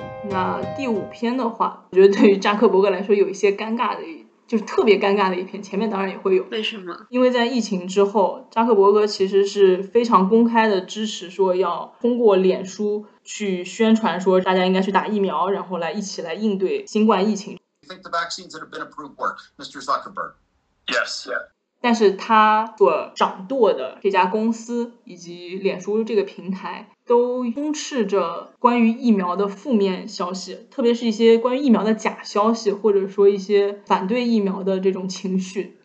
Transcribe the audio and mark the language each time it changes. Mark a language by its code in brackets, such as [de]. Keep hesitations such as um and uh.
[zh] 那第五篇的话，我觉得对于扎克伯格来说有一些尴尬的一。一就是特别尴尬的一篇，前面当然也会有。为什么？因为在疫情之后，扎克伯格其实是非常公开的支持，说要通过脸书去宣传，说大家应该去打疫苗，然后来一起来应对新冠疫情。 [en] Think the vaccines that have been approved work, Mr. Zuckerberg? Yes. Yes. [zh] 但是他所掌舵的这家公司以及脸书这个平台。都充斥着关于疫苗的负面消息，特别是一些关于疫苗的假消息，或者说一些反对疫苗的这种情绪。